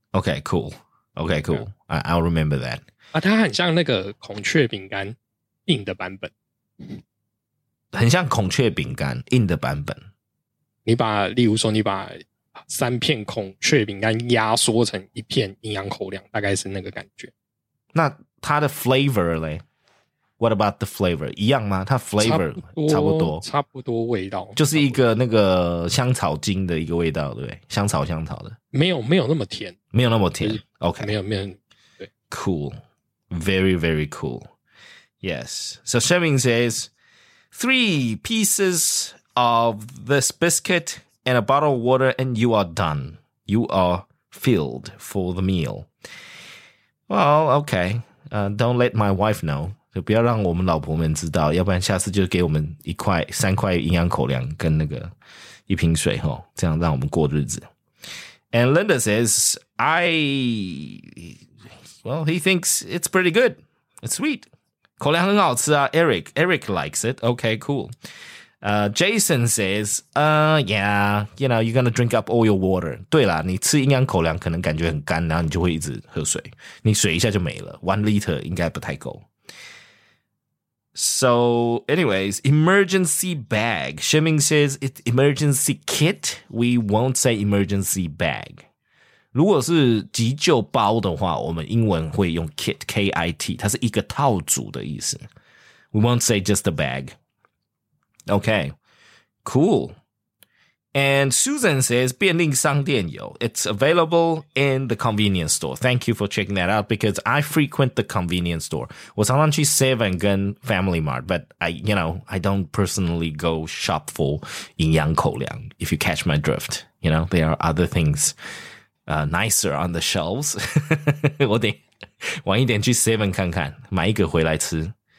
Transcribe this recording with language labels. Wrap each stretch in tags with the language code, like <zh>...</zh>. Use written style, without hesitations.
<en>OK cool OK cool、yeah. I'll remember that</en> <zh>啊，它很像那个孔雀饼干硬的版本很像孔雀饼干硬的版本你把例如说你把三片孔雀饼干压缩成一片营养口粮大概是那个感觉那它的 flavor 勒</zh> <en>What about the flavor</en> <zh>一样吗它 flavor 差不多差不多味道就是一个那个香草精的一个味道 对香草香草的没有那么甜没有那么甜 OK 没有对</zh> <en>Cool Very very cool Yes So Sherming says Three pieces of this biscuitAnd a bottle of water, and you are done. You are filled for the meal. Well, okay. Don't let my wife know.</en> <zh>就不要让我们老婆们知道，要不然下次就给我们一块、三块营养口粮跟那个一瓶水哈，这样让我们过日子。</zh> <en>And Linda says, he thinks it's pretty good. It's sweet.</en> <zh>口粮很好吃啊</zh> <en>Eric likes it. Okay, cool. Jason says, yeah, you know, you're going to drink up all your water.</en> <zh>对啦你吃营养口粮可能感觉很干然后你就会一直喝水。你水一下就没了 ,1 liter 应该不太够。</zh> <en>So, anyways, emergency bag. Sherming says, it's emergency kit. We won't say emergency bag.</en> <zh>如果是急救包的话我们英文会用 kit, K-I-T, 它是一个套组的意思。</zh> <en>We won't say just a bag. Okay, cool. And Susan says,</en> <zh>便利商店有</zh> <en>It's available in the convenience store. Thank you for checking that out because I frequent the convenience store.</en> <zh>我常常去 7 跟 Family Mart,</zh> <en>but I don't personally go shop for 营养口粮, if you catch my drift. You know, there are other things, nicer on the shelves.</en> <zh>我得晚一点去 7 看看,买一个回来吃。</zh>